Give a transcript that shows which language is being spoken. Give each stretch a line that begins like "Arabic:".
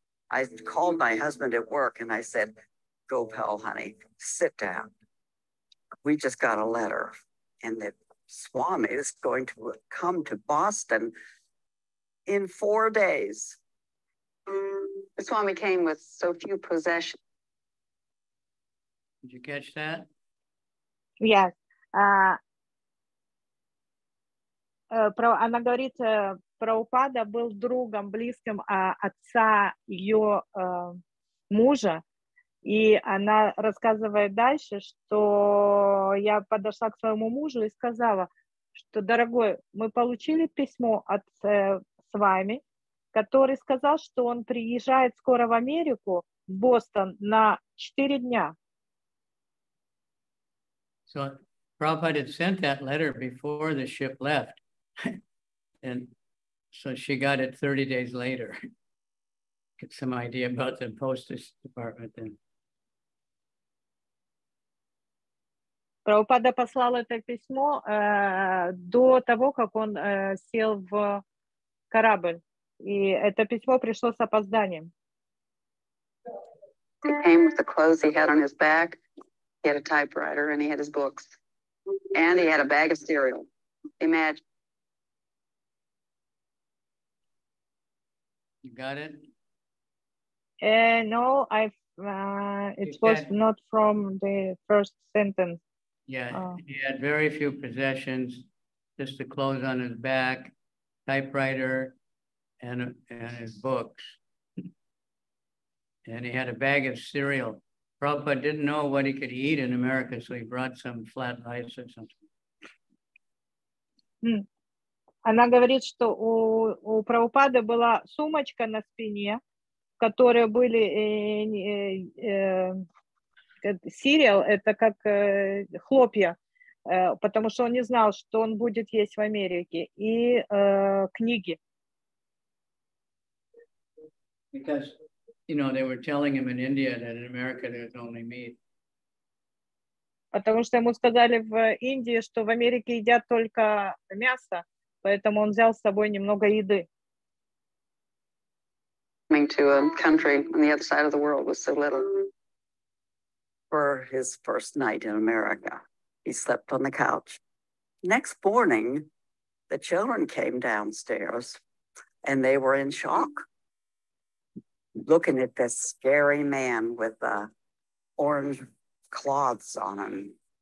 English: I called my husband at work, and I said, Gopal, honey, sit down. We just got a letter, and that Swami is going to come to Boston in 4 days. The Swami came with so few possessions. Did you catch that? Yes.
Russian: Она говорит, Прабхупада был другом, близким отца ее мужа. И она рассказывает дальше, что я подошла к своему мужу и сказала, что, дорогой, мы получили письмо от Свами, который сказал, что он приезжает скоро в Америку, в Бостон, на 4 дня.
English: So Prabhupada had sent that letter before the ship left. And so she got it 30 days later. Get some idea about the postage department then.
Russian: Прабхупада послал это письмо до того, как он сел в корабль. И это письмо пришло с опозданием.
English: He came with the clothes he had on his back. He had a typewriter and he had his books. And he had a bag of cereal. Imagine. You got it? No, it was not from the first sentence. Yeah, he had very few possessions, just the clothes on his back, typewriter, and his books. And he had a bag of cereal. Prabhupada didn't know what he could eat in America, so he brought some flat rice or something.
Russian: Она говорит, что у Прабхупады была сумочка на спине, в которой были сериал, это как хлопья, потому что он не знал, что он будет есть в Америке, и книги.
English: Because, you know, they were telling him in India that in America there's only meat.
Russian: Потому что ему сказали в Индии, что в Америке едят только мясо, поэтому он взял с собой немного еды.
English: Coming to a country on the other side of the world was so little. For his first night in America, he slept on the couch. Next morning, the children came downstairs and they were in shock, looking at this scary man with the orange cloths on him.